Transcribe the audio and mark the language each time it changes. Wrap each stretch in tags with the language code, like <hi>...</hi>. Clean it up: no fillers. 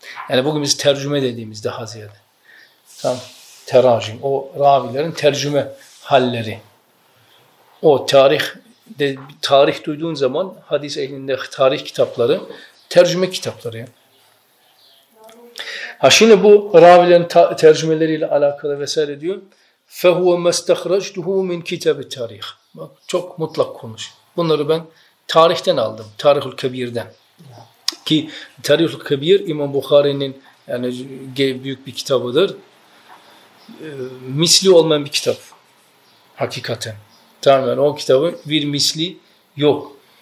<tr>Yani bugün biz tercüme dediğimiz daha ziyade. Tam teracim, o ravilerin tercüme halleri. O tarih, de, tarih duyduğun zaman hadis ehlinde tarih kitapları, tercüme kitapları. Ha şimdi bu ravilerin tercümeleriyle alakalı vesaire diyor.</tr> <ar>فَهُوَ مَسْتَخْرَجْتُهُ مِنْ كِتَبِ التَّارِيخِ</ar> <tr>Bak çok mutlak konuş. Bunları ben tarihten aldım, Tarih-ül Kebir'den. Ki Tarih-ül Kebir İmam Bukhari'nin yani büyük bir kitabıdır. Misli olmayan bir kitap hakikaten. Tamam yani o kitabın bir misli yok.</tr>